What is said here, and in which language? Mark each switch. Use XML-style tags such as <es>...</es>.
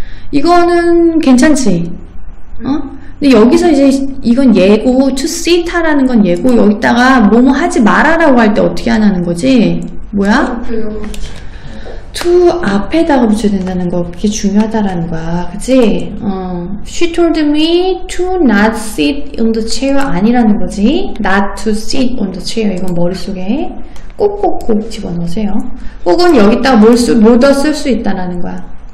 <ko>이거는 괜찮지? 어? 근데 여기서 이제 이건 예고, to sit 하라는 건 예고, 여기다가 뭐뭐 하지 말아라고 할 때 어떻게 하냐는 거지? 뭐야? to 앞에다가 붙여야 된다는 거, 그게 중요하다라는 거야. 그치?</ko> <en>She told me to not sit on the chair</en> <ko>아니라는 거지.</ko> <en>Not to sit on the chair.</en> <ko>이건 머릿속에 꼭꼭꼭 집어넣으세요. 혹은 여기다가 뭘 더 쓸 수 있다라는 거야.</ko>